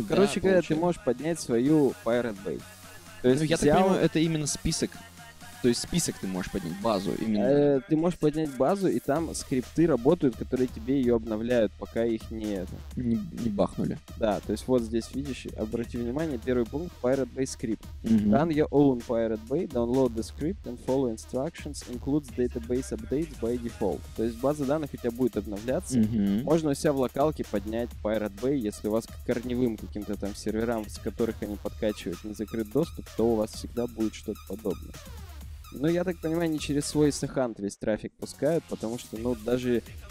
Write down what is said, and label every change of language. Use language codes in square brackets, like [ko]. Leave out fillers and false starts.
[ru] Короче говоря, ты можешь поднять свою Pirate Bay. То есть, ну, я так понимаю, это именно список. То есть список ты можешь поднять, базу именно. Ты можешь поднять базу, и там скрипты работают, которые тебе ее обновляют, пока их не это. Не бахнули. Да, то есть вот здесь видишь, обрати внимание, первый пункт Pirate Bay Script. [en] Run your own Pirate Bay, download the script and follow instructions, includes database updates by default. [ru] То есть база данных у тебя будет обновляться. Можно у себя в локалке поднять Pirate Bay, если у вас к корневым каким-то там серверам, с которых они подкачивают, не закрыт доступ, то у вас всегда будет что-то подобное. Ну, я так понимаю, не через свой SHunt весь трафик пускают, потому что, ну, даже...